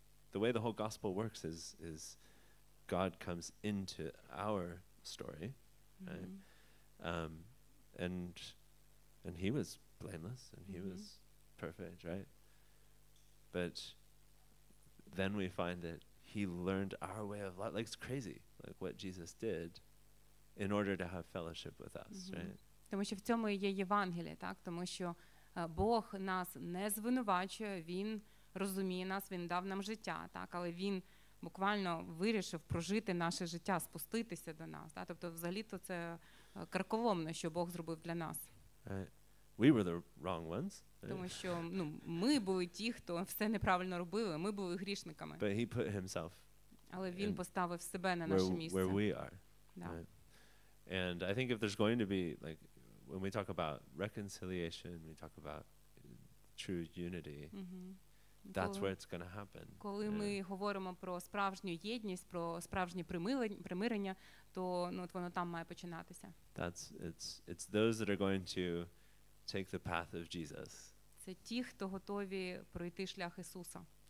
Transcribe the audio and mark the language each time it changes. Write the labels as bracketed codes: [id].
[en] The way the whole gospel works is God comes into our story, and he was blameless and he was perfect, right? But then we find that he learned our way of life. Like, it's crazy, like what Jesus did in order to have fellowship with us, right? [uk] Тому що в цьому є Євангеліє, так? Тому що Бог нас не звинувачує, він розуміє нас, він дав нам життя, так? Але він буквально вирішив прожити наше життя, спуститися до нас, так? Тобто взагалі-то це карколомно, що Бог зробив для нас. [en] Right. We were the wrong ones. [uk] Тому що, ну, ми були ті, хто все неправильно робили, ми були грішниками. [en] But he put himself. [uk] Але він поставив себе на наше місце. [en] Where we are. Да. And I think if there's going to be, like, when we talk about reconciliation, we talk about true unity. That's where it's going to happen. [uk] Коли ми говоримо про справжню єдність, про справжнє примирення, то воно там має починатися. [en] It's those that are going to take the path of Jesus. [uk] Це ті, хто готові пройти шлях Ісуса.